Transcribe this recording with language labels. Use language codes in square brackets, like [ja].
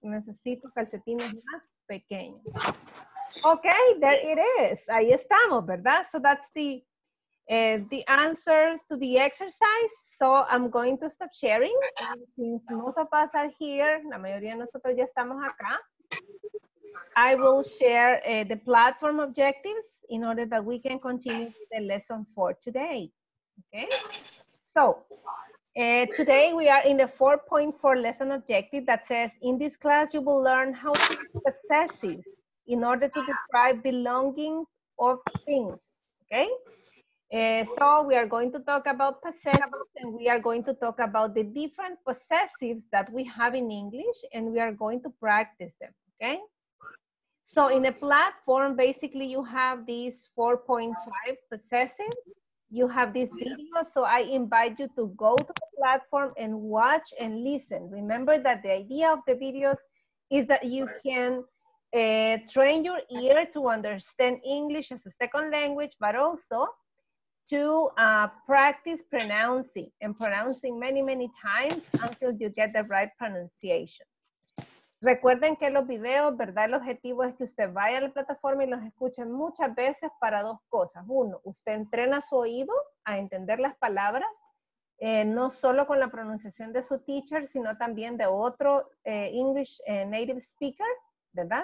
[es] Necesito calcetines más pequeños. [en] Okay, there it is. [es] Ahí estamos, ¿verdad? [en] So that's the answers to the exercise. So I'm going to stop sharing. Since most of us are here, [es] la mayoría de nosotros ya estamos acá. [en] I will share the platform objectives in order that we can continue the lesson for today. Okay? So... today we are in the 4.4 lesson objective that says, in this class you will learn how to use possessive in order to describe belongings of things, okay? So we are going to talk about possessives and we are going to talk about the different possessives that we have in English and we are going to practice them, okay? So in a platform, basically you have these 4.5 possessives. You have this video, so I invite you to go to the platform and watch and listen. Remember that the idea of the videos is that you can train your ear to understand English as a second language, but also to practice pronouncing and pronouncing many, many times until you get the right pronunciation. [es] Recuerden que los videos, ¿verdad? El objetivo es que usted vaya a la plataforma y los escuche muchas veces para dos cosas. Uno, usted entrena su oído a entender las palabras, no solo con la pronunciación de su teacher, sino también de otro [en] English native speaker, [es] ¿verdad?